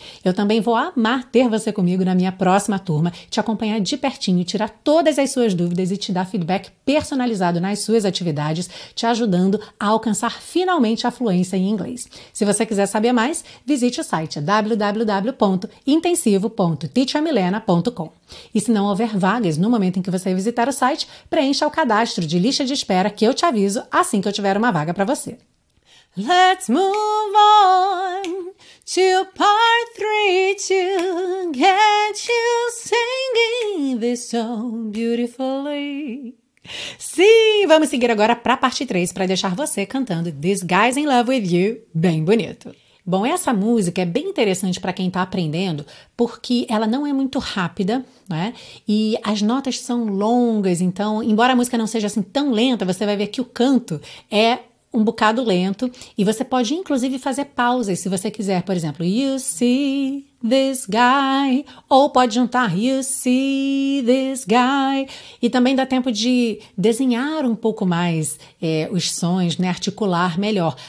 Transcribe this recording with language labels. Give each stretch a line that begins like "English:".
Portuguese: Eu também vou amar ter você comigo na minha próxima turma, te acompanhar de pertinho, tirar todas as suas dúvidas e te dar feedback personalizado nas suas atividades, te ajudando a alcançar finalmente a fluência em inglês. Se você quiser saber mais, visite o site www.intensivo.teachermilena.com. E se não houver vagas no momento em que você visitar o site, preencha o cadastro de lista de espera que eu te aviso assim que eu tiver uma vaga para você.
English: Let's move on to part three to get you singing this song beautifully.
Portuguese: Sim, vamos seguir agora para a parte 3 para deixar você cantando This Guy's in Love with You bem bonito. Bom, essa música é bem interessante para quem está aprendendo, porque ela não é muito rápida, né? E as notas são longas, então, embora a música não seja assim tão lenta, você vai ver que o canto é um bocado lento, e você pode inclusive fazer pausas se você quiser, por exemplo,
English: you see this guy,
Portuguese: ou pode juntar you see this guy, e também dá tempo de desenhar um pouco mais os sons, né, articular melhor.